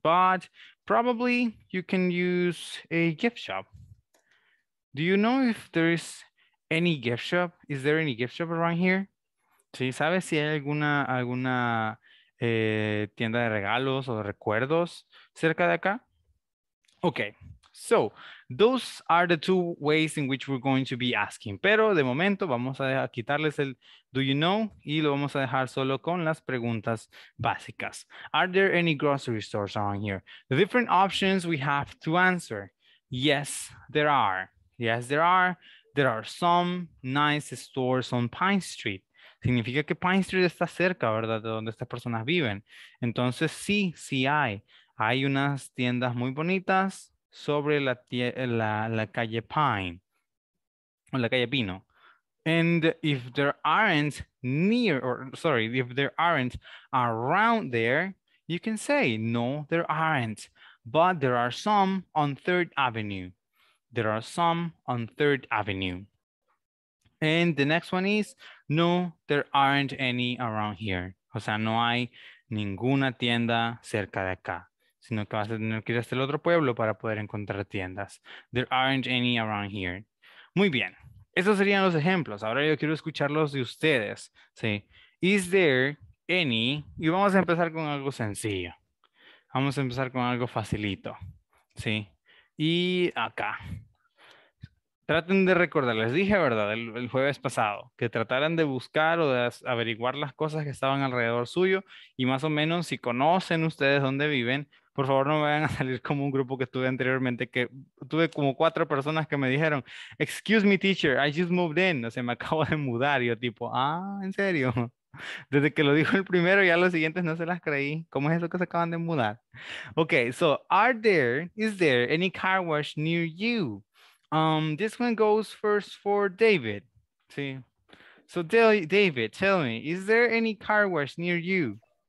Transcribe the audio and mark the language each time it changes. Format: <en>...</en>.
<en>But probably you can use a gift shop. Do you know if there is any gift shop? Is there any gift shop around here? ¿Sí?</en> <es>¿Sabes si hay alguna tienda de regalos o de recuerdos cerca de acá?</es> <en>Okay. So, those are the two ways in which we're going to be asking.</en> <es>Pero de momento vamos a quitarles el do you know y lo vamos a dejar solo con las preguntas básicas.</es> <en>Are there any grocery stores around here? The different options we have to answer. Yes, there are. Yes, there are. There are some nice stores on Pine Street.</en> <es>Significa que Pine Street está cerca, ¿verdad? De donde estas personas viven. Entonces, sí, sí hay. Hay unas tiendas muy bonitas sobre la calle Pine o la calle Pino.</es> <en>And if there aren't near, or sorry, if there aren't around there, you can say, no, there aren't. But there are some on 3rd Avenue. There are some on 3rd Avenue. And the next one is, no, there aren't any around here.</en> <es>O sea, no hay ninguna tienda cerca de acá. Sino que vas a tener que ir hasta el otro pueblo para poder encontrar tiendas.</es> <en>There aren't any around here.</en> <es>Muy bien. Esos serían los ejemplos. Ahora yo quiero escucharlos de ustedes. ¿Sí?</es> <en>Is there any?</en> <es>Y vamos a empezar con algo sencillo. Vamos a empezar con algo facilito. ¿Sí? Y acá. Traten de recordar. Les dije, ¿verdad? El jueves pasado. Que trataran de buscar o de averiguar las cosas que estaban alrededor suyo. Y más o menos, si conocen ustedes dónde viven, por favor, no me vayan a salir como un grupo que tuve anteriormente, que tuve como 4 personas que me dijeron,</es> <en>excuse me, teacher, I just moved in.</en> <es>O sea, me acabo de mudar. Y yo tipo, ah, ¿en serio? Desde que lo dijo el primero, ya los siguientes no se las creí. ¿Cómo es eso que se acaban de mudar?</es> <en>Ok, so, is there any car wash near you? This one goes first for David. Sí. So, David, tell me, is there any car wash near you?</en>